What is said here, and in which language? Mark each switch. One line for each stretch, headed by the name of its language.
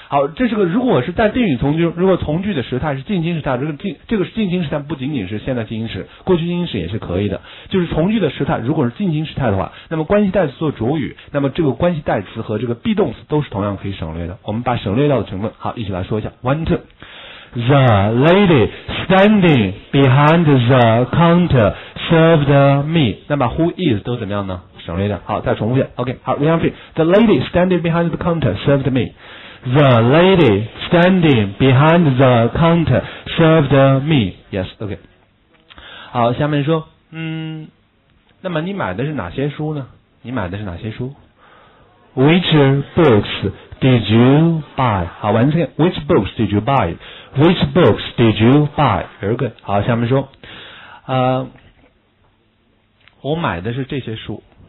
Chinese: 好，这是个如果是在定语从句，如果从句的时态是进行时态，这个是进行时态，不仅仅是现在进行时，过去进行时也是可以的。就是从句的时态，如果是进行时态的话，那么关系代词做主语，那么这个关系代词和这个 be 动词都是同样可以省略的。我们把省略掉的成分，好，一起来说一下 ，
English: one two。 The lady standing behind the counter served me.
Chinese: 那么 who is 都怎么样呢？省略掉。好，再重复一下。OK, 好 ，
English: we have it. The lady standing behind the counter served me. The lady standing behind the counter served me. Yes, OK.
Chinese: 好，下面说，那么你买的是哪些书呢？
English: Which books did you buy?
Chinese: 好，完成。
English: Which books did you buy? Very good.
Chinese: 好，下面说，我买的是这些书。